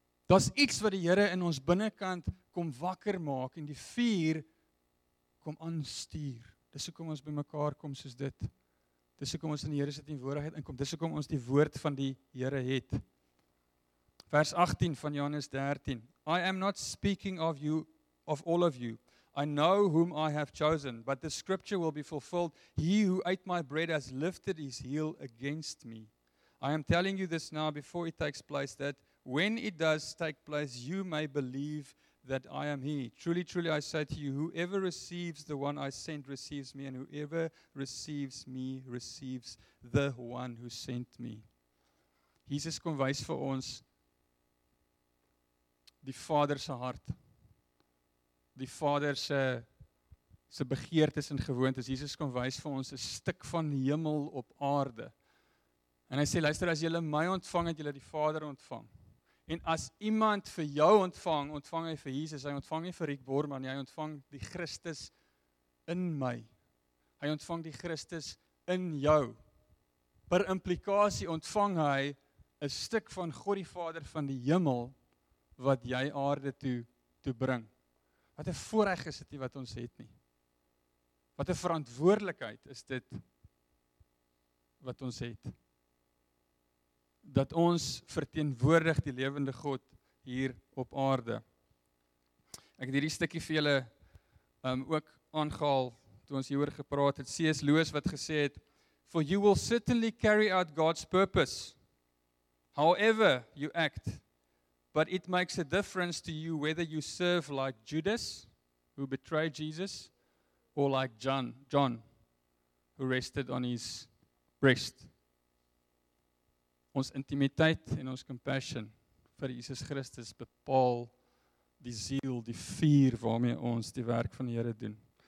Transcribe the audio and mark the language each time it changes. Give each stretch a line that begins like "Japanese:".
Afrikaans: Daar's iets wat die Here in ons binnekant kom wakker maak en die vuur kom aanstuur. Dis hoekom ons bymekaar kom soos dit. Dis hoekom ons in die Here se teenwoordigheid inkom. Dis hoekom ons die woord van die Here het. Vers 18 van Johannes 13.
English: I am not speaking of you, of all of you. I know whom I have chosen, but the scripture will be fulfilled. He who ate my bread has lifted his heel against me. I am telling you this now before it takes place, that when it does take place, you may believe that I am he. Truly, truly, I say to you, whoever receives the one I sent receives me, and whoever receives me receives the one who sent me.
Afrikaans: Jesus kom wys vir ons die Vader se hart. Die Vader se begeertes en gewoontes. Jesus kom wys vir ons 'n stuk van hemel op aarde. En hy sê, luister, as julle my ontvang, het julle die Vader ontvang. En as iemand vir jou ontvang, ontvang hy vir Jesus, hy ontvang nie vir Rick Borman, hy ontvang die Christus in my. Hy ontvang die Christus in jou. Per implikasie ontvang hy 'n stuk van God die Vader van die hemel wat jy aarde toe bring. Wat 'n voorreg is dit wat ons het nie. Wat 'n verantwoordelikheid is dit wat ons het. Dat ons verteenwoordig die lewende God hier op aarde. Ek het hierdie stukkie vir julle ook aangehaal toe ons hieroor gepraat het. C.S.
English: Lewis
Afrikaans: wat gesê het,
English: "For you will certainly carry out God's purpose, however you act. But it makes a difference to you whether you serve like Judas, who betrayed Jesus, or like John, who rested on his breast."
Afrikaans: Ons intimiteit en ons compassion vir Jesus Christus bepaal die ziel, die vuur waarmee ons die werk van die Here doen.